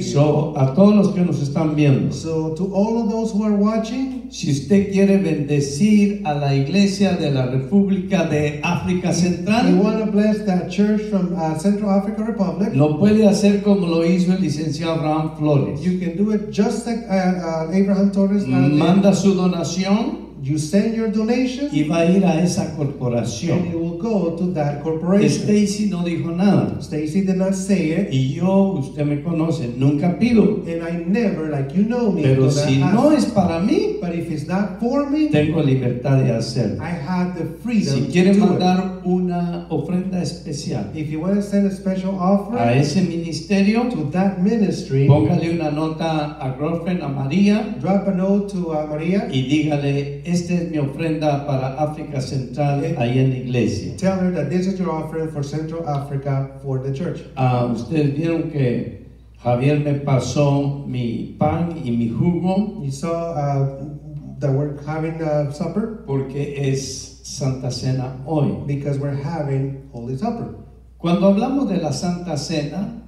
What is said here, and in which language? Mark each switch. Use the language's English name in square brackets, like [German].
[Spanish] So, a todos los que nos están viendo, [English] so to all of those who are watching, [Spanish] si usted quiere bendecir a la iglesia de la República de África Central, [English] you want to bless that church from Central Africa Republic, [Spanish] lo puede hacer como lo hizo el licenciado Abraham Flores. [English] You can do it just like Abraham Torres. [Spanish] Manda su donación. [English] You send your donation, [Spanish] y va a ir a esa corporación, [English] and you will go to that corporation. [Spanish] Stacy no dijo nada. [English] Stacy did not say it. [Spanish] Y yo, usted me conoce, nunca pido. [English] And I never, like you know me. [Spanish] Pero si no es para mí, [English] but if it's not for me, [Spanish] tengo libertad de hacerlo. [English] I have the freedom. [Spanish] Si quiere mandar una ofrenda especial, [English] if you want to send a special offering, [Spanish] a ese ministerio, [English] to that ministry, [Spanish] póngale una nota a girlfriend, a María, [English] drop a note to María, [Spanish] y dígale, esta es mi ofrenda para África Central, and ahí en la iglesia. [English] Tell her that this is your offering for Central Africa for the church. [Spanish] Ustedes vieron que Javier me pasó mi pan y mi jugo. [English] You saw that we're having supper. [Spanish] Porque es Santa Cena hoy. [English] Because we're having Holy Supper. [Spanish] Cuando hablamos de la Santa Cena,